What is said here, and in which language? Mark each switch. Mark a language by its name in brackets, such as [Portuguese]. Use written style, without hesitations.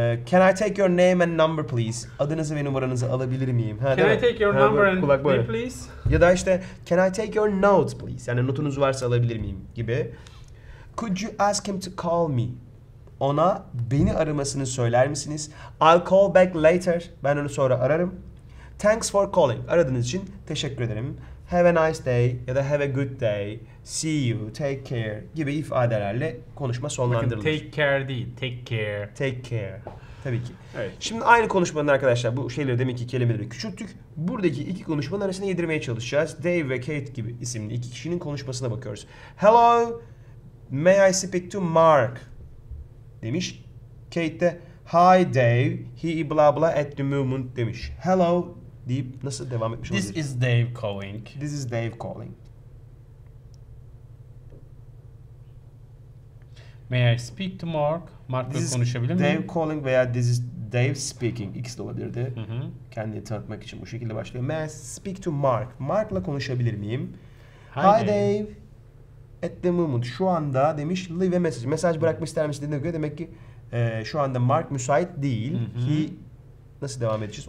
[English] Can I take your name and number please? [Turkish] Adınızı ve numaranızı alabilir miyim? [English] Ha, can I take your number and [Turkish] kulak böyle. [English] Please? [Turkish] Ya da işte [English] can I take your note please? [Turkish] Yani notunuz varsa alabilir miyim gibi. [English] Could you ask him to call me? [Turkish] Ona beni aramasını söyler misiniz? [English] I'll call back later. [Turkish] Ben onu sonra ararım. [English] Thanks for calling. [Turkish] Aradığınız için teşekkür ederim. [English] Have a nice day [Turkish] ya da [English] have a good day. See you, take care [Turkish] gibi ifadelerle konuşma sonlandırılır. Bakın [English] take care [Turkish] değil, take care. [English] Take care. [Turkish] Tabii ki. Evet. Şimdi aynı konuşmanın arkadaşlar bu şeyleri demek ki kelimeleri küçülttük. Buradaki iki konuşmanın arasını yedirmeye çalışacağız. Dave ve Kate gibi isimli iki kişinin konuşmasına bakıyoruz. [English] Hello. May I speak to Mark? Demiş. Kate de hi Dave, he blah blah at the moment demiş. [Turkish] Hello deyip nasıl devam etmiş [English] olabilir? This is Dave calling. This is Dave calling. May I speak to Mark? [Turkish] Mark'la konuşabilir miyim? [English] This is Dave calling veya this is Dave speaking. [Turkish] İkisi de olabilirdi. Kendini tanıtmak için bu şekilde başlıyor. [English] May I speak to Mark? [Turkish] Mark'la konuşabilir miyim? [English] Hi Dave. At the moment, [Turkish] şu anda demiş, [English] leave a message. [Turkish] Mesaj bırakmak ister misin dediğine göre demek ki şu anda Mark müsait değil. He, nasıl devam edeceğiz?